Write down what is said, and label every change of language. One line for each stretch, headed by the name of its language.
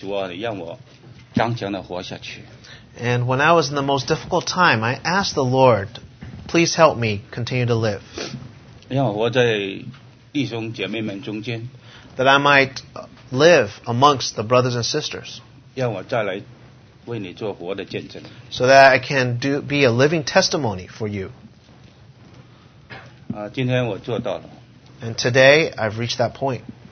Chinese: 因为我曾经在很困难的时候，我给我们的主求，我说：“主啊，让我刚强的活下去。”
English: And when I was in the most difficult time, I asked the Lord, "Please help me continue to live."
Chinese: 让我活在弟兄姐妹们中间。
English: That I might live amongst the brothers and sisters.
Chinese: 让我再来为你做活的见证。
English: So that I can do be a living testimony for you.
Chinese: 今天我做到了。
English: And today I've reached that point.